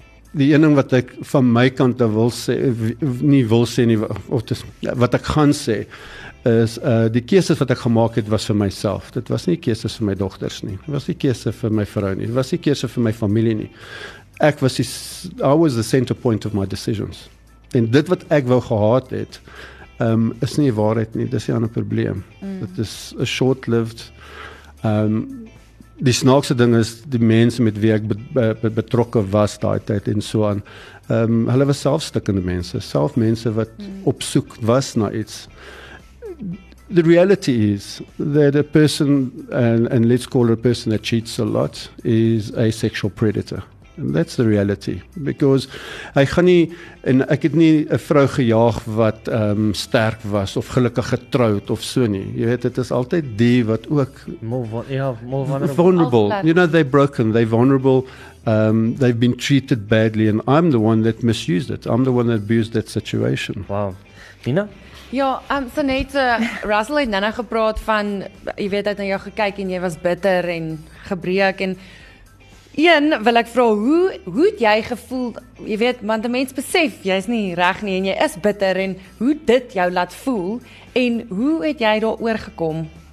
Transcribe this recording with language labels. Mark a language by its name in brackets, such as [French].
[Afrikaans] Die ene ding wat ek van my kant wat ek gaan sê, is die keuses wat ek gemaak het was vir myself. Dit was nie keuses vir my dogters nie. Dit was nie keuses vir my vrou nie. Dit was nie keuses vir my familie nie. [English] I was the center point of my decisions. [Afrikaans] En dit wat ek wou gehad het, is nie waarheid nie, dis die ander probleem. Dit is [English] a short-lived. [Afrikaans] Die snaakse ding is, die mense met wie ek betrokke was daai tyd en so aan, hulle was selfstikkende mense, self mense wat op soek was na iets. [English] The reality is that a person, and let's call a person that cheats a lot, is a sexual predator. And that's the reality, because [Afrikaans] hy gaan nie, en ek het nie 'n vrou gejaag wat sterk was, of gelukkig getrouwd, of so nie. Jy weet, het is altyd die wat ook [English] more vulnerable. You know, they're broken, they're vulnerable, they've been treated badly, and I'm the one that misused it. I'm the one that abused that situation. Wow. Nina? [Afrikaans] Ja, so net, Russell het nana gepraat van, jy weet, het na jou gekyk, en jy was bitter, en gebreek, en een, wil ek vraag, hoe het jy gevoel, jy weet, want die mens besef, jy is nie reg nie, en jy is bitter, en hoe dit jou laat voel, en hoe het jy daar oorgekom?